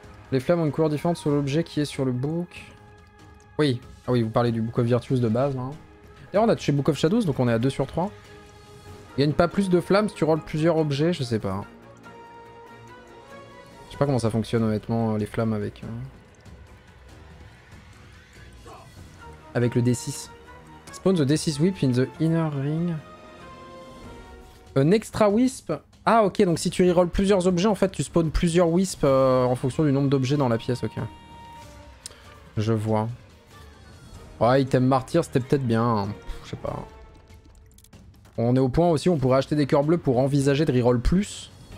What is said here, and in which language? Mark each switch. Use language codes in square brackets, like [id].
[fr] Les flammes ont une couleur différente sur l'objet qui est sur le book. Oui. Ah oui, vous parlez du Book of Virtues de base. Hein. D'ailleurs, on a touché Book of Shadows, donc on est à 2 sur 3. Gagne pas plus de flammes si tu rolls plusieurs objets, je sais pas. Je sais pas comment ça fonctionne, honnêtement, les flammes avec... Avec le D6. [en] Spawn the D6 whip in the inner ring. [fr] Un extra wisp. Ah ok, donc si tu reroll plusieurs objets, en fait tu spawns plusieurs wisps en fonction du nombre d'objets dans la pièce, ok. Je vois. Ouais, item martyr, c'était peut-être bien. Hein. Je sais pas. On est au point aussi, on pourrait acheter des cœurs bleus pour envisager de reroll plus.